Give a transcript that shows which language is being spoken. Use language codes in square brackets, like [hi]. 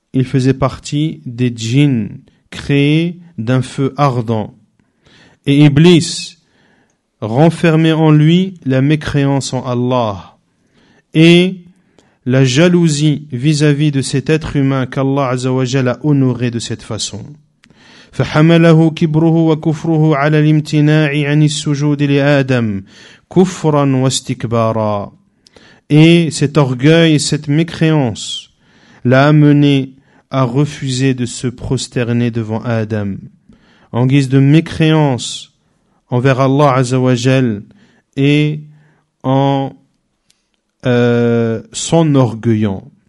[fr] Il faisait partie des djinns créés d'un feu ardent. Et Iblis renfermait en lui la mécréance en Allah et la jalousie vis-à-vis de cet être humain qu'Allah Azza wa Jalla a honoré de cette façon. [ar] فحمله كبره وكفره على الامتناع عن السجود لآدم كفرا واستكبارا. [fr] Et cet orgueil et cette mécréance l'a amené à refuser de se prosterner devant Adam en guise de mécréance envers Allah Azza wa Jal et en s'enorgueillant.